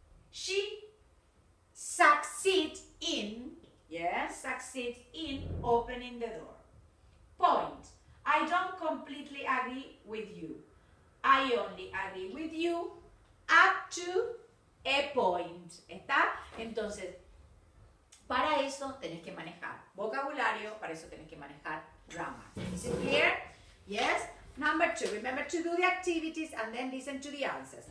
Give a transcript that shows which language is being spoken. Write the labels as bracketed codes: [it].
[en] She succeed in, yes, succeed in opening the door. Point. I don't completely agree with you. I only agree with you up to a point. [es] ¿Está? Entonces, para eso tenés que manejar vocabulario, para eso tenés que manejar drama. [en] Is it clear? Yes? Number 2. Remember to do the activities and then listen to the answers.